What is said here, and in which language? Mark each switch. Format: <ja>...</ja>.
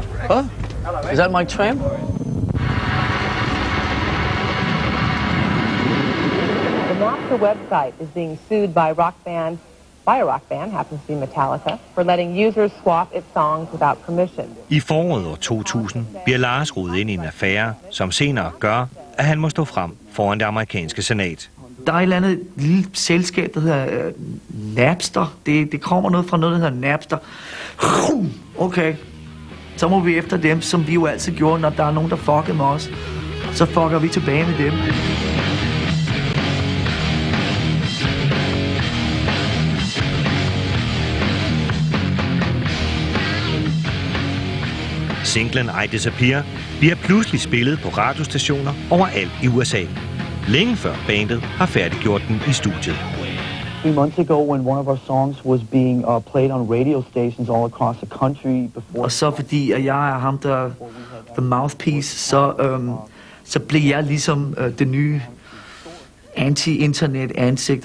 <en>Huh? Is that my tram? The Napster website is being sued by rock band by a rock band, happens to be Metallica, for letting users swap its songs without permission.</en> <da>I foråret 2000 bliver Lars rodet ind i en affære, som senere gør, at han må stå frem foran det amerikanske senat. Der er et eller andet lille selskab, der hedder Napster. Det kommer noget fra noget, der hedder Napster. Okay. Så må vi efter dem, som vi jo altid gjorde, når der er nogen, der fucker med os. Så fucker vi tilbage med dem. Singlen I Disappear bliver pludselig spillet på radiostationer overalt i USA. Længe før bandet har færdiggjort den i studiet.</da> <en>Three months ago, when one of our songs was being played on radio stations all across the country, before.</en> <da>Og så fordi at jeg er ham der,</da> <en>the mouthpiece,</en> <da>så blev jeg ligesom det nye anti-internet ansigt.</da>